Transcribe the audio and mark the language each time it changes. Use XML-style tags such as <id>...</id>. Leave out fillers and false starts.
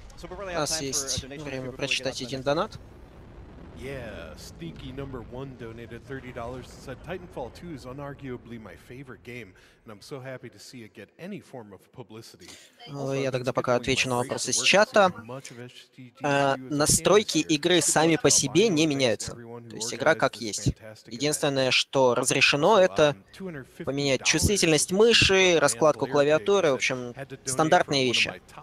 <ru>У нас есть время прочитать один донат.</ru> <en>Yeah, Stinky number one donated $30 and said Titanfall 2 is unarguably my favorite game, and I'm so happy to see it get any form of publicity.</en> <ru>Я тогда пока отвечу на вопрос из чата. Настройки игры сами по себе не меняются. То есть игра как есть. Единственное, что разрешено, это поменять чувствительность мыши, раскладку клавиатуры, в общем, стандартные вещи.</ru>